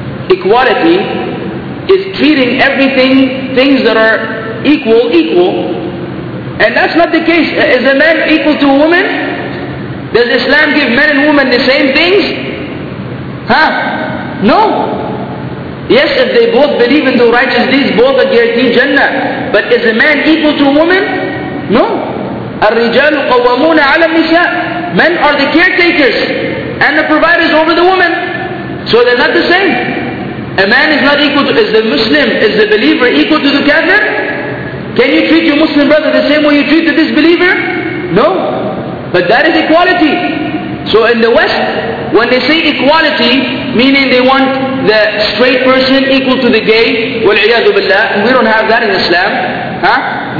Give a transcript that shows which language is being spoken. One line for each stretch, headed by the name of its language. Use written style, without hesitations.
English: Equality is treating everything, things that are equal, equal. And that's not the case. Is a man equal to a woman? Does Islam give men and women the same things? Huh? No. Yes, if they both believe and do righteous deeds, both are guaranteed Jannah. But is a man equal to a woman? No.
Arabic: الرجال قوامون على النساء.
English: Men are the caretakers and the providers over the woman. So they're not the same. A man is not equal to, is the Muslim, is the believer equal to the kafir? Can you treat your Muslim brother the same way you treat the disbeliever? No. But that is equality. So in the West, when they say equality, meaning they want the straight person equal to the gay,
Arabic: wal-iyadu billah,
English: we don't have that in Islam. Huh?